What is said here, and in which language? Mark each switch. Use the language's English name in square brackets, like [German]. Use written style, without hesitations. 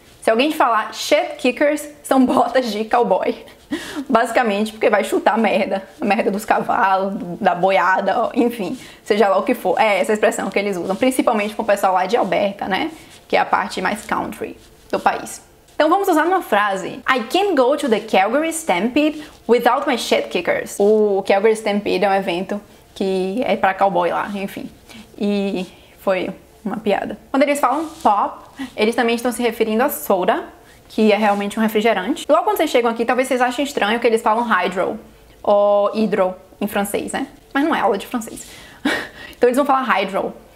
[Portuguese] Se alguém te falar shit kickers, são botas de cowboy. Basicamente, porque vai chutar merda. A merda dos cavalos, da boiada, enfim. Seja lá o que for. É essa expressão que eles usam. Principalmente com o pessoal lá de Alberta, né? Que é a parte mais country do país. Então vamos usar uma frase. [English] I can't go to the Calgary Stampede without my shit kickers. [Portuguese] O Calgary Stampede é um evento que é pra cowboy lá, enfim. E foi uma piada. Quando eles falam pop, eles também estão se referindo a soda, que é realmente um refrigerante. Logo quando vocês chegam aqui, talvez vocês achem estranho que eles falam hydro, ou hidro em francês, né? Mas não é aula de francês. Então eles vão falar hydro.